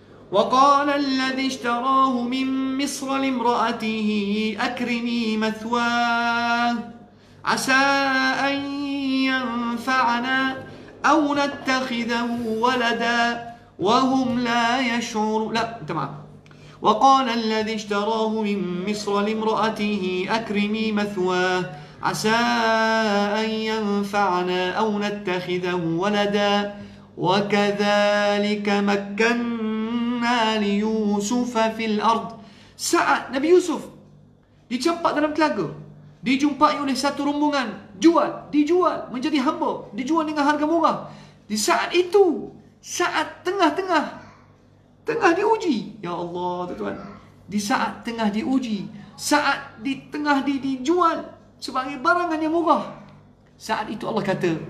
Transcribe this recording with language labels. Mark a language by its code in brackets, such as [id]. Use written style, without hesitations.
[ar] Wa qala alladhi ishtarahu min Misr limra'atihi akrimi mathwah asa an yanfa'ana أو نتخذه ولدا وهم لا يشعرون. لا تمام. وقال الذي اشتراه من مصر لامرأته أكرمي مثواه عسى أن ينفعنا أو نتخذه ولدا وكذلك مكنا ليوسف في الأرض. [ms] سعى نبي يوسف دي cepat dalam telaga, dijumpai oleh satu rombongan jual, dijual menjadi hamba, dijual dengan harga murah. Di saat itu, saat tengah-tengah, tengah diuji, ya Allah tuan, di saat tengah diuji, saat di tengah dijual sebagai barangan yang murah, saat itu Allah kata